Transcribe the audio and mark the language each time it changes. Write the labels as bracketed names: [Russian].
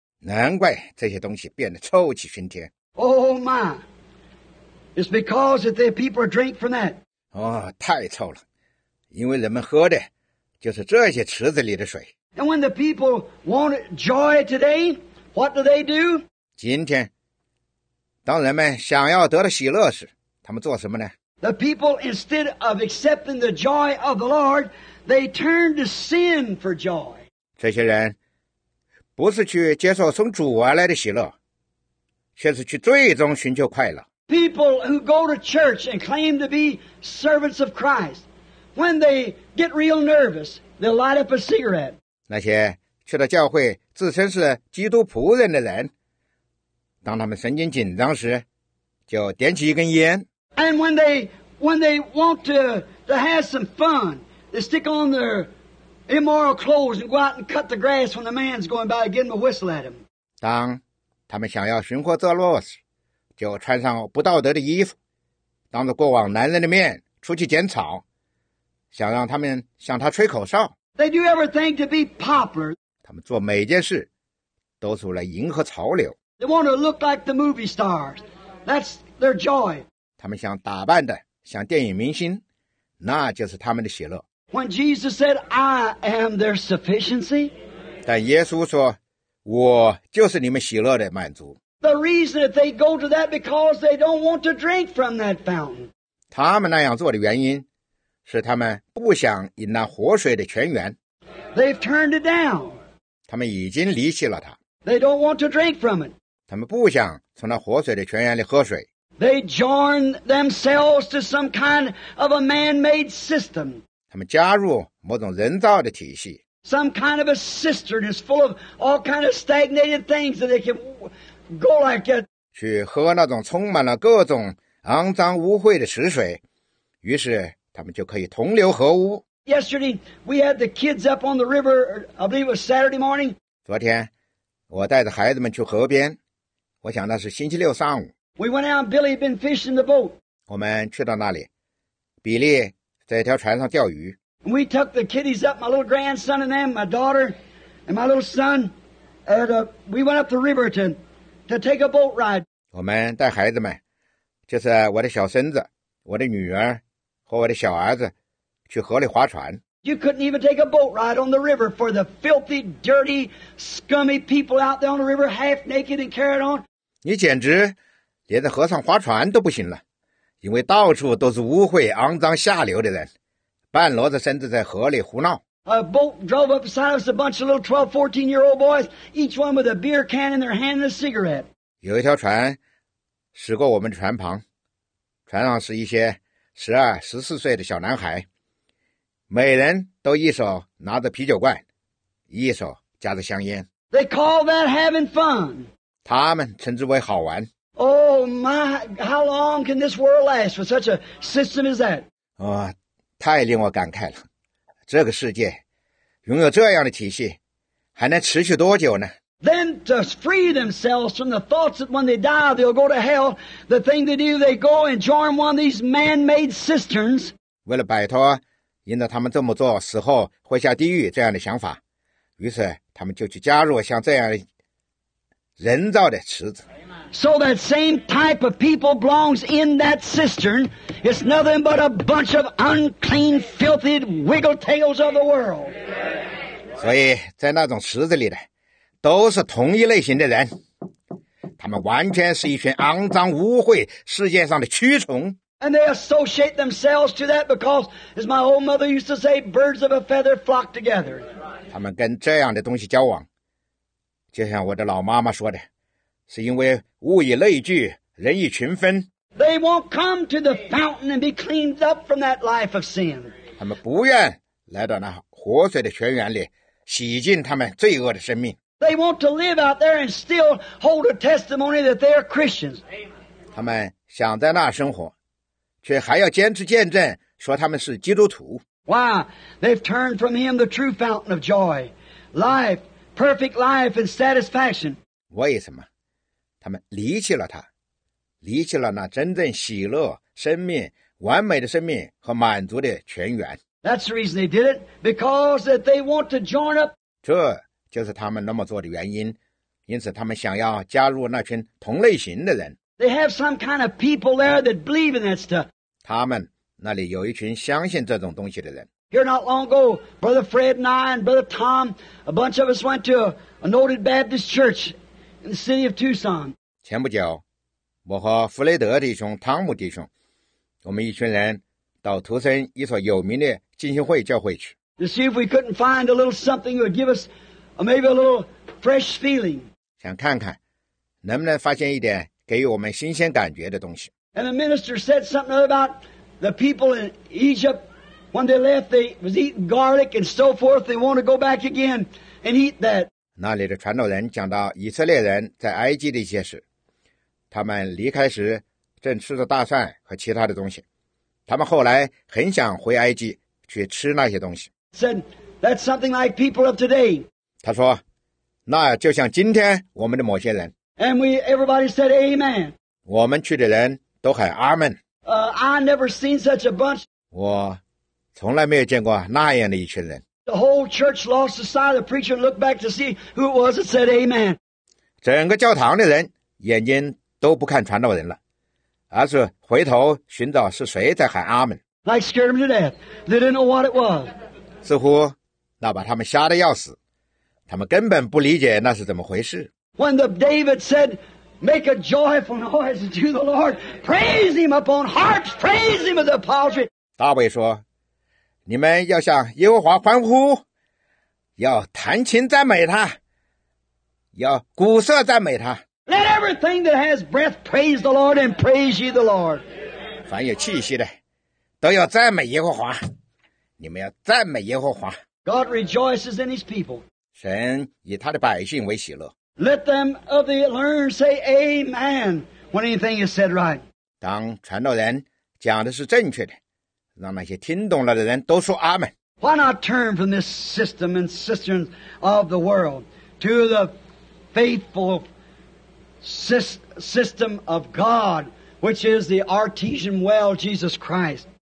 [Chinese] 难怪这些东西变得臭气熏天。 [English] Oh my, it's because that the people drink from that. [Chinese] 哦，太臭了，因为人们喝的就是这些池子里的水。 [English] And when the people want joy today, what do they do? [Chinese] 今天，当人们想要得到喜乐时，他们做什么呢？ [English] The people, instead of accepting the joy of the Lord, they turn to sin for joy. [Chinese] 这些人不是去接受从主而来的喜乐，却是去最终寻求快乐。 [English] People who go to church and claim to be servants of Christ, when they get real nervous, they light up a cigarette. [Chinese] 那些去了教会自称是基督仆人的人，当他们神经紧张时，就点起一根烟。 [English] And when they want to have some fun, they stick on their immoral clothes and go out and cut the grass when the man's going by, give them a whistle at him. [Chinese] 当他们想要寻获作乐时，就穿上不道德的衣服，当着过往男人的面出去剪草，想让他们向他吹口哨。 [English] They do everything to be popular. [Chinese] 他们做每件事都是为了迎合潮流。 [English] They want to look like the movie stars. That's their joy. [Chinese] 他们想打扮的像电影明星，那就是他们的喜乐。 [English] When Jesus said, "I am their sufficiency," [Chinese] 但耶稣说，我就是你们喜乐的满足。 [English] The reason that they go to that because they don't want to drink from that fountain. [Chinese] 他们那样做的原因。是他们不想饮那活水的泉源。 [English] They've turned it down. [Chinese] 他们已经离弃了它。 [English] They don't want to drink from it. [Chinese] 他们不想从那活水的泉源里喝水。 [English] They join themselves to some kind of a man-made system. [Chinese] 他们加入某种人造的体系。 [English] Some kind of a cistern is full of all kind of stagnated things that they can go like that. [Chinese] 去喝那种充满了各种肮脏污秽的池水，于是他们就可以同流合污。 [English] Yesterday we had the kids up on the river. I believe it was Saturday morning. [Chinese] 昨天我带着孩子们去河边，我想那是星期六上午。 [English] We went out. Billy had been fishing the boat. [Chinese] 我们去到那里，比利在一条船上钓鱼。 [English] We took the kiddies up, my little grandson and them, my daughter, and my little son. And we went up the river to take a boat ride. [Chinese] 我们带孩子们，就是我的小孙子、我的女儿和我的小儿子，去河里划船。 [English] You couldn't even take a boat ride on the river for the filthy, dirty, scummy people out there on the river, half naked and carried on. [Chinese] 你简直连在河上划船都不行了，因为到处都是污秽、肮脏、下流的人，半裸着身子在河里胡闹。 [English] A boat drove up beside us, a bunch of little 12, 14 year old boys, each one with a beer can in their hand and a cigarette. [Chinese] 有一条船驶过我们的船旁，船上是一些12、14岁的小男孩，每人都一手拿着啤酒罐，一手夹着香烟。 [English] They call that having fun. [Chinese] 他们称之为好玩。 [English] Oh my, how long can this world last with such a system as that? [Chinese] 太令我感慨了，这个世界拥有这样的体系还能持续多久呢？ [English] Then to free themselves from the thoughts that when they die they'll go to hell, the thing they do, they go and join one of these man-made cisterns. [Chinese] 为了摆脱因着他们这么做死后会下地狱这样的想法，于是他们就去加入像这样人造的池子。 [English] So that same type of people belongs in that cistern. It's nothing but a bunch of unclean, filthy wiggle-tails of the world. [Chinese] 所以在那种池子里的都是同一类型的人，他们完全是一群肮脏污秽世界上的蛆虫。 [English] And they associate themselves to that because, as my old mother used to say, birds of a feather flock together. [Chinese] 他们跟这样的东西交往，就像我的老妈妈说的，是因为物以类聚，人以群分。 [English] They won't come to the fountain and be cleaned up from that life of sin. [Chinese] 他们不愿来到那活水的泉源里，洗净他们罪恶的生命。 [English] They want to live out there and still hold a testimony that they are Christians. [Chinese] 他们想在那生活，却还要坚持见证，说他们是基督徒。 [English] Why? They've turned from him the true fountain of joy, life, perfect life and satisfaction. [Chinese] 为什么？他们离弃了他，离弃了那真正喜乐、生命、完美的生命和满足的泉源。 [English] That's the reason they did it, because that they want to join up. [Chinese] 这就是他们那么做的原因，因此他们想要加入那群同类型的人。 [English] They have some kind of people there that believe in that stuff. [Chinese] 他们那里有一群相信这种东西的人。 [English] Here not long ago, Brother Fred and I and Brother Tom, a bunch of us went to a noted Baptist church. In the city of Tucson. [Chinese] 前不久，我和弗雷德弟兄、汤姆弟兄，我们一群人到图森一所有名的浸信会教会去。 [English] To see if we couldn't find a little something that would give us maybe a little fresh feeling. [Chinese] 想看看能不能发现一点给予我们新鲜感觉的东西。 [English] And the minister said something about the people in Egypt when they left, they was eating garlic and so forth. They want to go back again and eat that. [Chinese] 那里的传道人讲到以色列人在埃及的一些事，他们离开时正吃着大蒜和其他的东西，他们后来很想回埃及去吃那些东西。 [English] Said, that's something like people of today. [Chinese] 他说那就像今天我们的某些人。 [English] And we, everybody said, Amen. [Chinese] 我们去的人都喊阿们。 [English] I never seen such a bunch. [Chinese] 我从来没有见过那样的一群人。 [English] The whole church lost the sight. The preacher looked back to see who it was and said, Amen. [Chinese] 整个教堂的人眼睛都不看传道人了，而是回头寻找是谁在喊阿们。 [English] Like scared them to death. They didn't know what it was. [Chinese] 似乎那把他们吓得要死，他们根本不理解那是怎么回事。 [English] When the David said, make a joyful noise to the Lord. Praise him upon harps. Praise him with the psaltery. [Chinese] 大卫说你们要向耶和华欢呼，要弹琴赞美他，要鼓瑟赞美他。 [English] Let everything that has breath praise the Lord and praise ye the Lord. [Chinese] 凡有气息的都要赞美耶和华，你们要赞美耶和华。 [English] God rejoices in his people. [Chinese] 神以他的百姓为喜乐。 [English] Let them of the learned say amen when anything is said right. [Chinese] 当传道人讲的是正确的，让那些听懂了的人都说阿们。 [English] Why not turn from this system and cisterns of the world to the faithful system of God, which is the artesian well, Jesus Christ?